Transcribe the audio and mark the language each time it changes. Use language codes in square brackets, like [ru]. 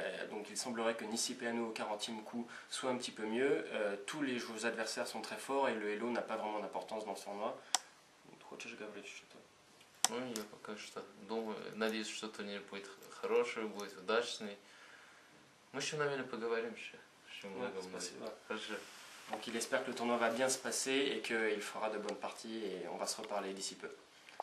[fr] Donc il semblerait que Nissipeanu au 40e coup soit un petit peu mieux. Tous les joueurs adversaires sont très forts et le Elo n'a pas vraiment d'importance dans ce tournoi. [ru] Хочешь же говорить что-то? Ну, я пока что думаю, надеюсь, что турнир будет хороший, будет удачный. Мы еще, наверное, поговорим еще. Спасибо. Хорошо. [fr] Donc il espère que le tournoi va bien se passer et qu'il fera de bonnes parties et on va se reparler d'ici peu.